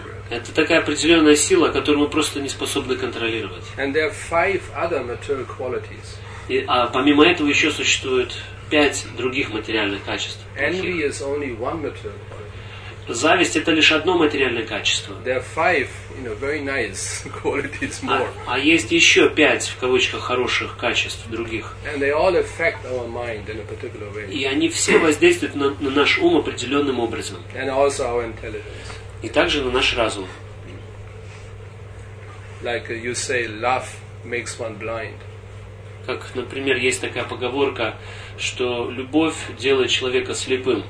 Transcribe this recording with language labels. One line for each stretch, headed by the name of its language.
Russian: Это такая определенная сила, которую мы просто не способны контролировать.
English: And there are five other material qualities.
Russian: И, а помимо этого еще существует пять других материальных качеств.
English: Envy is only one material quality.
Russian: Зависть — это лишь одно материальное качество.
English: There are five, you know, very nice qualities more.
Russian: А есть еще пять, в кавычках, хороших качеств других.
English: And they all affect our mind in a particular way.
Russian: И они все воздействуют на наш ум определенным образом.
English: And also our intelligence.
Russian: И также на наш разум.
English: Like you say, love makes one blind.
Russian: Как, например, есть такая поговорка, что любовь делает человека слепым.